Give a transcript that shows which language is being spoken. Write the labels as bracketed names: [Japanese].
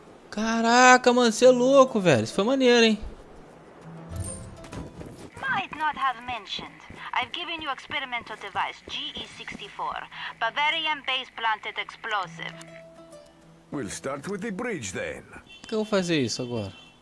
[Portuguese] Caraca, mano, você é louco, velho. Isso foi maneiro, hein? [English] I've given you experimental device GE64, Bavarian base planted explosive. We'll start with the bridge then. [Portuguese] Por que eu vou fazer isso agora?